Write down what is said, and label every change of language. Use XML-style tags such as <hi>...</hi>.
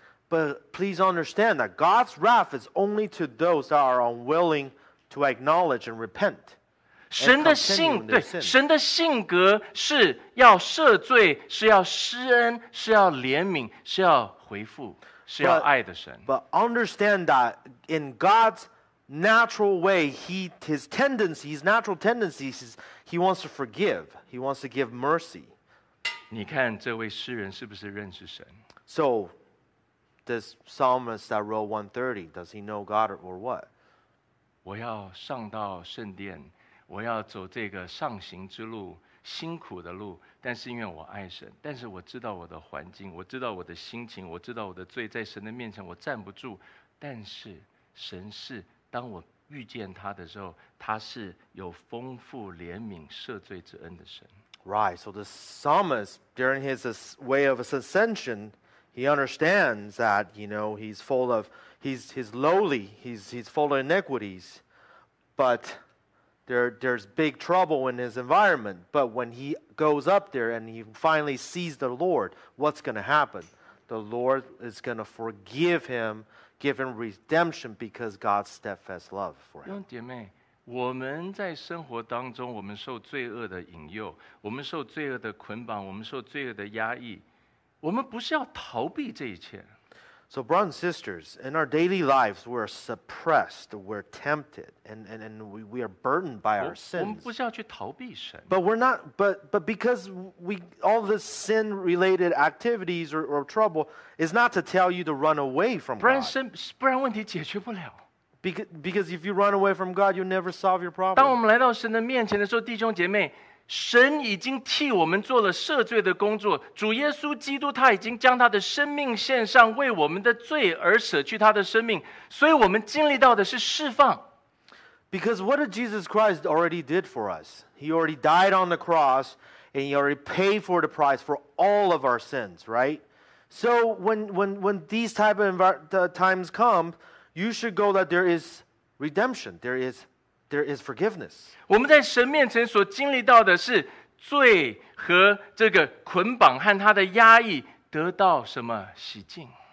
<en>But please understand that God's wrath is only to those that are unwilling to acknowledge and repent.</en> <zh>神的性对神的性格是要赦罪，是要施恩，是要怜悯，是要回复，是要爱的神。</zh> <en>But understand that in God's natural way, his natural tendencies, he wants to forgive. He wants to give mercy.</en> <zh>你看这位诗人是不是认识神</zh> <en>？So this psalmist that wrote 130, does he know God or what?</en> <zh>我要上到圣殿，我要走这个上行之路，辛苦的路。但是因为我爱神，但是我知道我的环境，我知道我的心情，我知道我的罪，在神的面前我站不住。但是神是，当我遇见他的时候，他是有丰富怜悯赦罪之恩的神。</zh> <en>Right. So the psalmist, during his way of ascension, he understands that you know he's full of he's lowly, he's full of iniquities, but there's big trouble in his environment. But when he goes up there and he finally sees the Lord, what's going to happen? The Lord is going to forgive him, give him redemption because God's steadfast love for him.</en> <zh>姐妹，我们在生活当中，我们受罪恶的引诱，我们受罪恶的捆绑，我们受罪恶的压抑，我们不是要逃避这一切。</zh> <en>So brothers and sisters, in our daily lives, we're suppressed, we're tempted, and we are burdened by our sins.</en> <zh>我们不是要去逃避神。</zh> <en>But we're not, but because we, all the sin-related activities or trouble is not to tell you to run away from God.</en> <zh>不然问题解决不了。</zh> <en>Because if you run away from God, you'll never solve your problem.</en> <zh>当我们来到神的面前的时候，弟兄姐妹，神已经替我们做了赦罪的工作，主耶稣基督他已经将他的生命献上，为我们的罪而舍去他的生命，所以我们经历到的是释放。</zh> <en>Because what did Jesus Christ already did for us? He already died on the cross, and he already paid for the price for all of our sins, right? So when these type of times come, you should go that there is redemption, there is forgiveness.</en> <zh>我们在神面前所经历到的是罪和这个捆绑和他的压抑得到什么洗净。</zh>